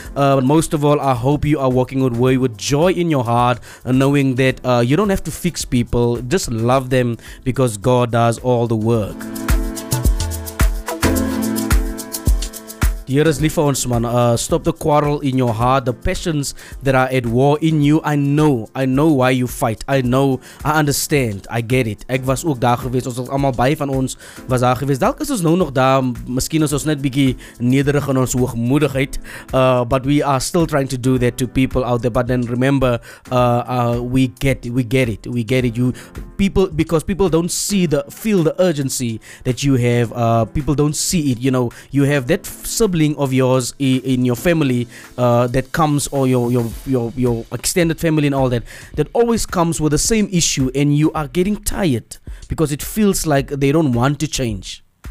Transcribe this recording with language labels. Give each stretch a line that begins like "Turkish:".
English: Most of all, I hope you are walking away with joy in your heart, knowing that you don't have to fix people. Just love them because God does all the work. Dearest Lifa Onsman, stop the quarrel in your heart, the passions that are at war in you. I know why you fight. I know, I understand, I get it.
Afrikaans: Ek was ook daar geweest, ons was allemaal baie van ons was daar geweest. Dalk is ons nou nog daar, miskien is ons net bietjie nederig in ons hoogmoedigheid.
English: But we are still trying to do that to people out there. But then remember, we get it. People don't see feel the urgency that you have. People don't see it, you know, you have that sibling of yours in your family that comes, or your extended family and all that always comes with the same issue, and you are getting tired because it feels like they don't want to change.